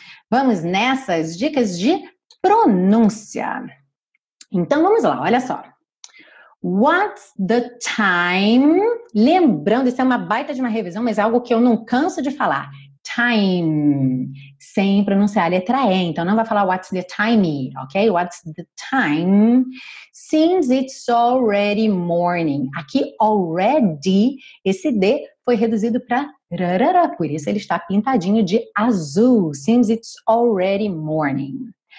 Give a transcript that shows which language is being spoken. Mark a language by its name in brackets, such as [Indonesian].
[Portuguese] Vamos nessas dicas de pronúncia. Então, vamos lá. Olha só. [English] What's the time? [Portuguese] Lembrando, isso é uma baita de uma revisão, mas é algo que eu não canso de falar. Time. Sem pronunciar a letra E. Então, não vai falar [English] what's the time, [Portuguese] ok? [English] What's the time? Since it's already morning. [Portuguese] Aqui, already, esse D foi reduzido para rarara. Por isso, ele está pintadinho de azul. [English] Since it's already morning.